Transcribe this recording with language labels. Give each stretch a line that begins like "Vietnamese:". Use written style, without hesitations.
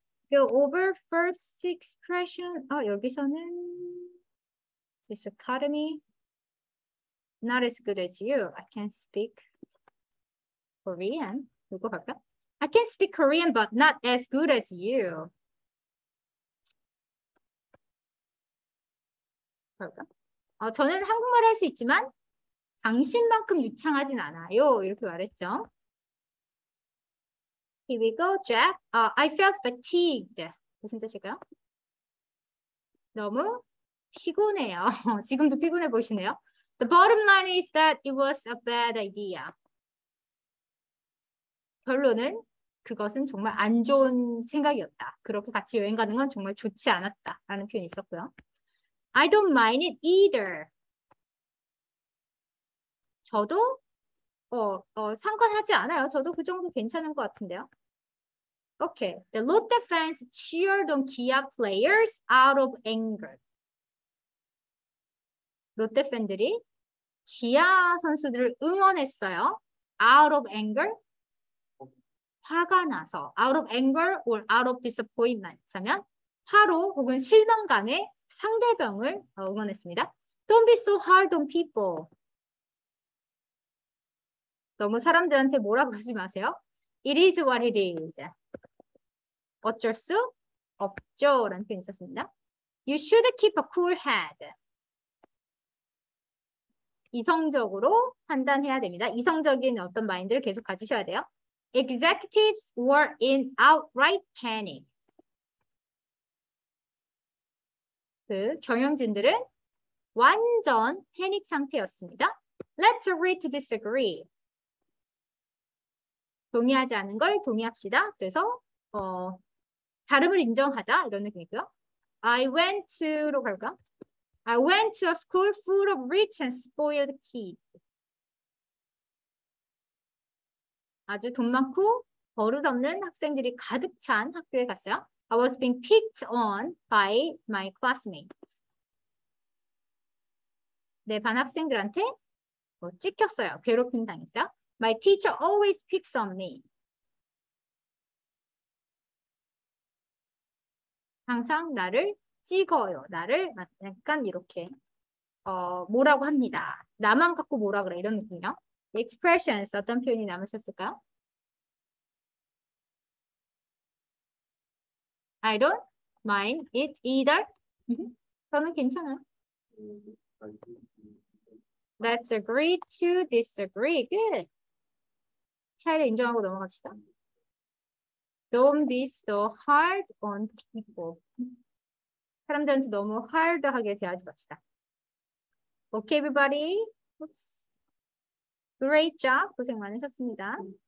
English: 그 over first expression
Korean: 여기서는
English: this academy not as good as you. I can speak Korean.
Korean: 이거 할까?
English: I can speak Korean, but not as good as you.
Korean: 할까? 저는 한국말 할수 있지만 당신만큼 유창하진 않아요. 이렇게 말했죠.
English: Here we go, Jack. I felt fatigued.
Korean: 무슨 뜻일까요? 너무 피곤해요. 지금도 피곤해 보이시네요.
English: The bottom line is that it was a bad idea.
Korean: 결론은 그것은 정말 안 좋은 생각이었다. 그렇게 같이 여행 가는 건 정말 좋지 않았다라는 표현이 있었고요.
English: I don't mind it either.
Korean: 저도 상관하지 않아요. 저도 그 정도 괜찮은 것 같은데요.
English: Okay. The Lotte fans cheered on Kia players out of anger.
Korean: 롯데 팬들이 기아 선수들을 응원했어요.
English: Out of anger.
Korean: 화가 나서.
English: Out of anger or out of disappointment.
Korean: 하면 화로 혹은 실망감에 상대방을 응원했습니다.
English: Don't be so hard on people.
Korean: 너무 사람들한테 뭐라 그러지 마세요.
English: It is what it is.
Korean: 어쩔 수 없죠. 라는 표현이 있었습니다.
English: You should keep a cool head.
Korean: 이성적으로 판단해야 됩니다. 이성적인 어떤 마인드를 계속 가지셔야 돼요.
English: Executives were in outright panic.
Korean: 그 경영진들은 완전 패닉 상태였습니다.
English: Let's agree to disagree.
Korean: 동의하지 않은 걸 동의합시다. 그래서 다름을 인정하자 이런 느낌이고요.
English: I went to
Korean: 로 갈까?
English: I went to a school full of rich and spoiled kids.
Korean: 아주 돈 많고 버릇없는 학생들이 가득 찬 학교에 갔어요.
English: I was being picked on by my classmates.
Korean: 내반 학생들한테 찍혔어요. 괴롭힘 당했어요. My teacher always picks on me. 항상 나를 찍어요. 나를 약간 이렇게 뭐라고 합니다. 나만 갖고 뭐라 그래 이런 느낌이요. Expressions 어떤 표현이 남으셨을까요?
English: I don't mind it either.
Korean: 저는 괜찮아요.
English: Let's agree to disagree. Good.
Korean: 차이를 인정하고 넘어갑시다.
English: Don't be so hard on people.
Korean: 사람들한테 너무 hard하게 대하지 맙시다.
English: Okay, everybody. Oops. Great job.
Korean: 고생 많으셨습니다.